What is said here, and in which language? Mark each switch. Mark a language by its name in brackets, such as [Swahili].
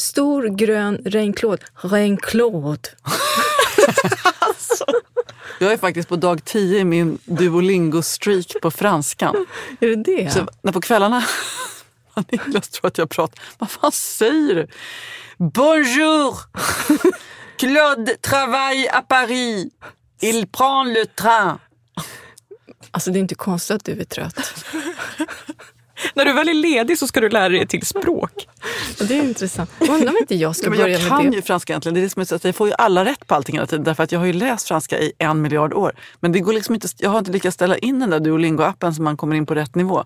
[Swedish] Stor grön regnklåd. Regnklåd. Jag är faktiskt på dag 10 i min Duolingo-streak på franskan. Är det det? Så när på kvällarna... Niklas tror att jag pratar... Vad fan säger du? Bonjour! [French] Claude travaille à Paris. Il prend le train. [Swedish] Alltså det är inte konstigt att du är trött. När du väl är ledig så ska du lära dig till språk. Det är intressant. Undrar inte jag ska börja med det. Jag kan ju franska egentligen. Det är som att jag får ju alla rätt på allting hela tiden. Därför att jag har ju läst franska i 1 miljard år. Men det går liksom inte, jag har inte lyckats ställa in den där Duolingo-appen så man kommer in på rätt nivå.